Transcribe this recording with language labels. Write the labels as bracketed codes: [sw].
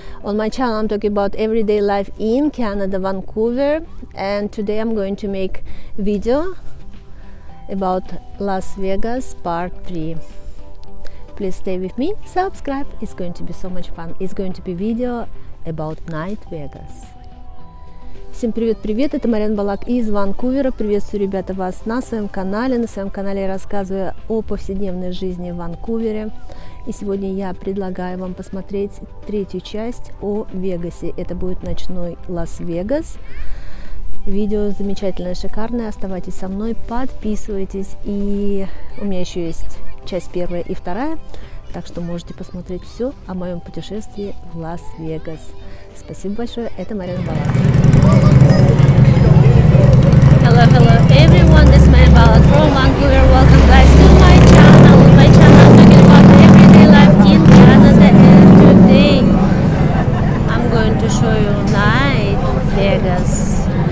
[en] On my channel I'm talking about everyday life in Canada, Vancouver. And today I'm going to make video about Las Vegas part 3. Please stay with me, subscribe, it's going to be so much fun. It's going to be video about night Vegas. [ru] Всем привет-привет, это Марин Балак из Ванкувера. Приветствую, ребята, вас на своем канале. На своем канале я рассказываю о повседневной жизни в Ванкувере. И сегодня я предлагаю вам посмотреть третью часть о Вегасе. Это будет ночной Лас-Вегас. Видео замечательное, шикарное. Оставайтесь со мной, подписывайтесь. И у меня еще есть часть первая и вторая. Так что можете посмотреть все о моем путешествии в Лас-Вегас. Спасибо большое, это Марин Балак. [en] Hello, hello everyone, this is Marin Balak from Vancouver. Welcome guys to my channel. My channel is talking about everyday life in Canada, and today I'm going to show you night Vegas.